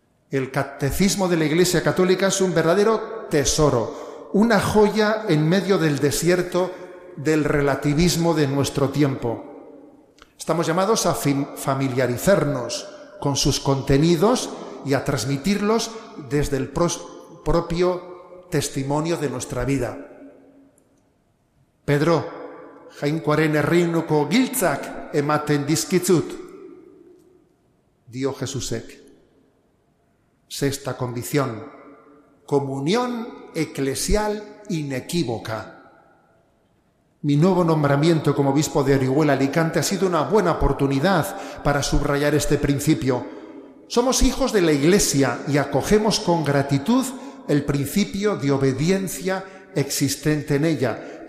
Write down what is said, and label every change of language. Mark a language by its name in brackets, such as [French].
[Spanish] El catecismo de la Iglesia Católica es un verdadero tesoro, una joya en medio del desierto del relativismo de nuestro tiempo. Estamos llamados a familiarizarnos con sus contenidos y a transmitirlos desde el propio testimonio de nuestra vida. [Basque] Pedro, jainkoaren erreinuko giltzak ematen dizkitzut, dio Jesusek. [Spanish] Sexta convicción, comunión eclesial inequívoca. Mi nuevo nombramiento como obispo de Orihuela Alicante ha sido una buena oportunidad para subrayar este principio. Somos hijos de la Iglesia y acogemos con gratitud el principio de obediencia existente en ella,